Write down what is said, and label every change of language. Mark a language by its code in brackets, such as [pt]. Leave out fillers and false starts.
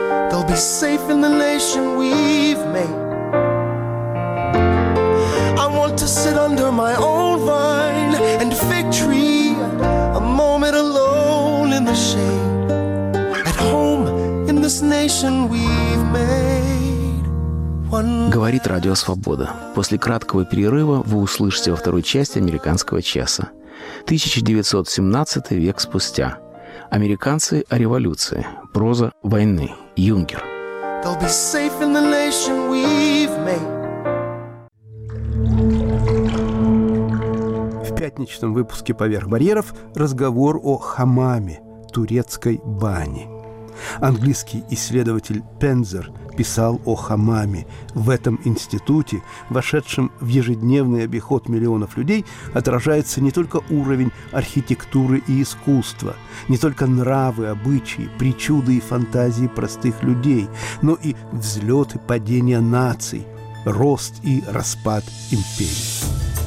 [en] They'll be safe in the nation we've made. I want to sit under my own vine and fig tree, a moment alone. In the shade, at home in this nation we've made one. [ru] Говорит Радио Свобода. После краткого перерыва вы услышите во второй части «Американского часа». 1917 век спустя. Американцы о революции. Проза войны. Юнгер. [en] They'll be safe in the nation we've made. [ru] В пятничном выпуске «Поверх барьеров» разговор о хамаме, турецкой бане. Английский исследователь Пензер писал о хамаме. В этом институте, вошедшем в ежедневный обиход миллионов людей, отражается не только уровень архитектуры и искусства, не только нравы, обычаи, причуды и фантазии простых людей, но и взлет и падение наций, рост и распад империй.